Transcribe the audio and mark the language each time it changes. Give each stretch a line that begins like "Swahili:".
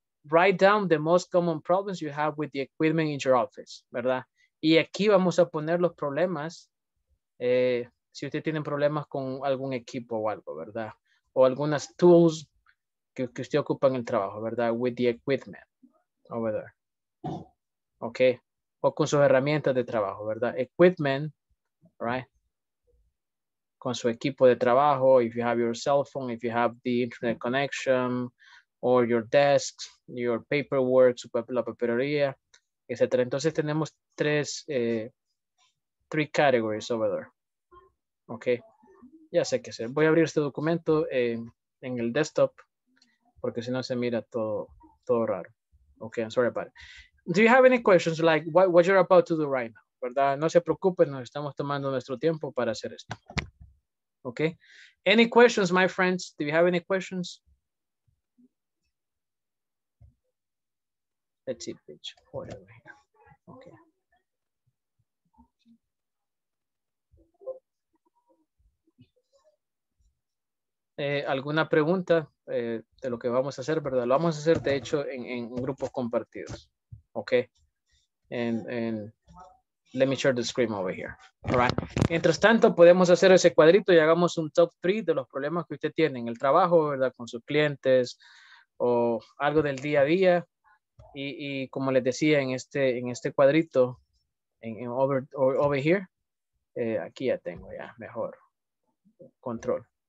English: Write down the most common problems you have with the equipment in your office,
Spanish: ¿verdad? Y aquí vamos a poner los problemas, si usted tiene problemas con algún equipo o algo, ¿verdad? O algunas tools que usted ocupa en el trabajo, ¿verdad?
English: With the equipment over there. Ok.
Spanish: O con sus herramientas de trabajo, ¿verdad?
English: Equipment, right?
Spanish: Con su equipo de trabajo,
English: if you have your cell phone, if you have the internet connection, or your desk, your paperwork,
Spanish: la papelería,
English: etc.
Spanish: Entonces tenemos
English: three categories over there. Ok.
Spanish: Ya sé qué hacer. Voy a abrir este documento en el desktop, porque si no se mira todo raro.
English: Ok, I'm sorry about it. Do you have any questions like what you're about to do right now?
Spanish: ¿Verdad? No se preocupen, nos estamos tomando nuestro tiempo para hacer esto.
English: Okay. Any questions, my friends? Do you have any questions? Let's see, page 4 over here. Okay.
Spanish: ¿Alguna pregunta de lo que vamos a hacer, verdad? Lo vamos a hacer, de hecho, en grupos compartidos.
English: Okay. And let me share the screen over here. All right.
Spanish: Mientras tanto, podemos hacer ese cuadrito y hagamos un top 3 de los problemas que usted tiene en el trabajo, ¿verdad? Con sus clientes o algo del día a día. Y como les decía, en este cuadrito,
English: over here,
Spanish: aquí ya tengo ya mejor control.